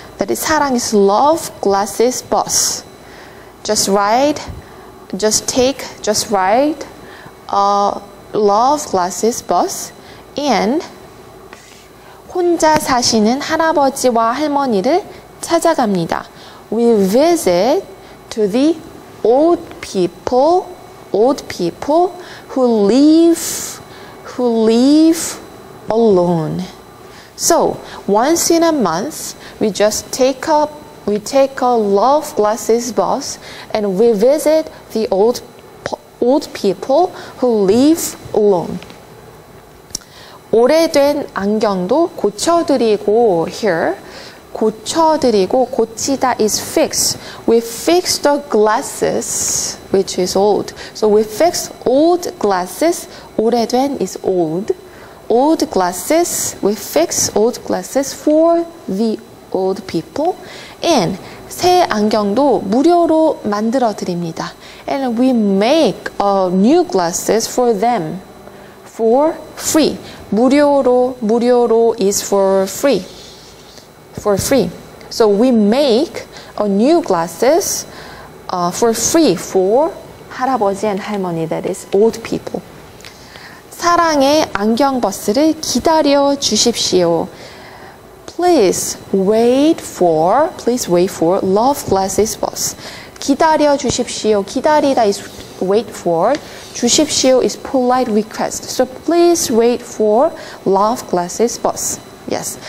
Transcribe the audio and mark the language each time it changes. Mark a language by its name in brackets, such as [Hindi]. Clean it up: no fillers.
[English] That is, 사랑 is love, glasses, bus. Just ride, just take, just ride a love glasses bus. [Korean] And 혼자 사시는 할아버지와 할머니를 찾아갑니다. [English] We visit to the old people who live alone. So once in a month, we take a love glasses bus and we visit the old old people who live alone. [Korean] 오래된 안경도 고쳐드리고 [English] here. [Korean] 고쳐드리고 고치다 [English] is fix. We fix the glasses which is old. So we fix old glasses. 오래된 is old. Old glasses. We fix old glasses for the old people. [Korean] And 새 안경도 무료로 만들어 드립니다. [English] And we make a new glasses for them for free. [Korean] 무료로 무료로 [English] is for free. For free. So we make a new glasses for free for 할아버지 and 할머니, that is old people. [Korean] 사랑의 안경 버스를 기다려 주십시오. [English] Please wait for love glasses bus. [Korean] 기다려 주십시오. [English] 기다리다 is wait for. 주십시오 is polite request. So please wait for love glasses bus. Yes.